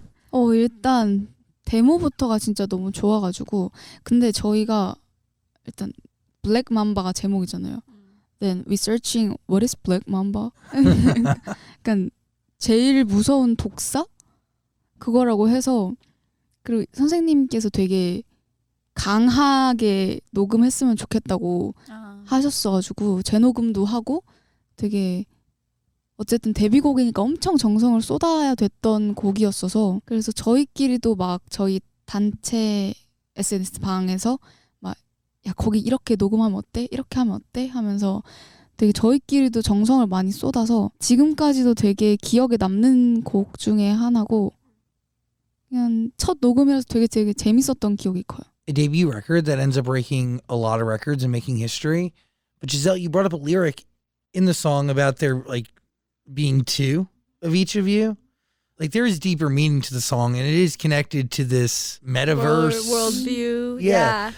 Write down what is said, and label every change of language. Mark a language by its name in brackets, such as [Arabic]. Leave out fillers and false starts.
[Korean] 일단 데모부터가 진짜 너무 좋아가지고, 근데 저희가 일단 Black Mamba가 제목이잖아요. [English] Then we searching what is Black Mamba? [Korean] 약간 제일 무서운 독사? 그거라고 해서, 그리고 선생님께서 되게 강하게 녹음했으면 좋겠다고 하셨어가지고 재녹음도 하고 되게 어쨌든 데뷔곡이니까 엄청 정성을 쏟아야 됐던 곡이었어서 그래서 저희끼리도 막 저희 단체 SNS 방에서 막 야 거기 이렇게 녹음하면 어때? 이렇게 하면 어때? 하면서 되게 저희끼리도 정성을 많이 쏟아서 지금까지도 되게 기억에 남는 곡 중에 하나고 그냥 첫 녹음이라서 되게 되게 재밌었던 기억이 커요. [English] A debut record that ends up breaking a lot of records and making history. But Giselle, you brought up a lyric in the song about there like being two of each of you. Like there is deeper meaning to the song and it is connected to this metaverse. Worldview. Yeah.